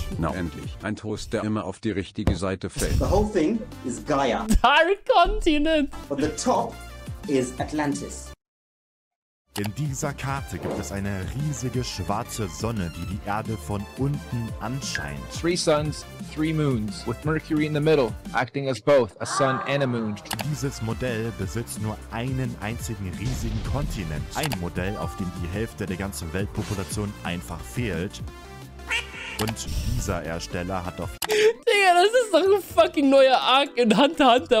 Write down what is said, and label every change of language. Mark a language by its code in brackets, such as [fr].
[de] Na endlich, ein Toast, der immer auf die richtige Seite fällt. [en] The whole thing is Gaia. Dark Continent. But the top is Atlantis. [de] In dieser Karte gibt es eine riesige schwarze Sonne, die die Erde von unten anscheint. [en] Three suns, three moons, with Mercury in the middle, acting as both a sun and a moon. [de] Dieses Modell besitzt nur einen einzigen riesigen Kontinent. Ein Modell, auf dem die Hälfte der ganzen Weltpopulation einfach fehlt. Und dieser Ersteller hat doch... Digga, das ist doch ein fucking neuer Arc in Hunter Hunter.